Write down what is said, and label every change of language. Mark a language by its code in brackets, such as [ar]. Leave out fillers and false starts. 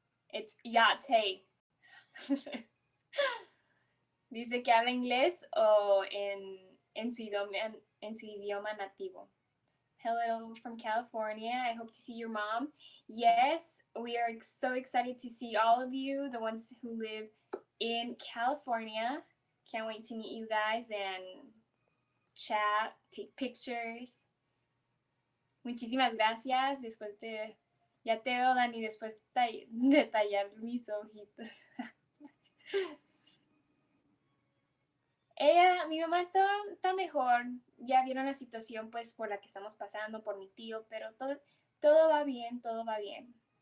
[en] It's Yate. [es] Dice que habla inglés o en su idioma nativo. [en] Hello from California. I hope to see your mom. Yes, we are so excited to see all of you, the ones who live in California. Can't wait to meet you guys and chat, take pictures. [es] Muchísimas gracias. Después de. Ya te veo, Dani, después de tallar mis ojitos. Mi mamá está mejor. Ya vieron la situación, pues, por la que estamos pasando, por mi tío, pero todo va bien, todo va bien.